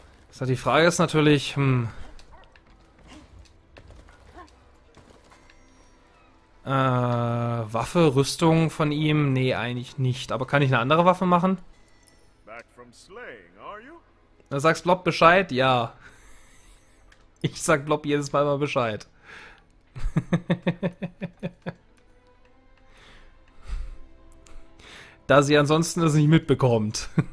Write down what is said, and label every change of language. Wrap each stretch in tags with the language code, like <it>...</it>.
<de>So, die Frage ist natürlich, Waffe, Rüstung von ihm? Nee, eigentlich nicht. Aber kann ich eine andere Waffe machen?</de> <en>Back from slaying, are you?</en> <de>Du sagst Blob Bescheid? Ja. Ich sag Blob jedes Mal Bescheid. Da sie ansonsten das nicht mitbekommt.</de>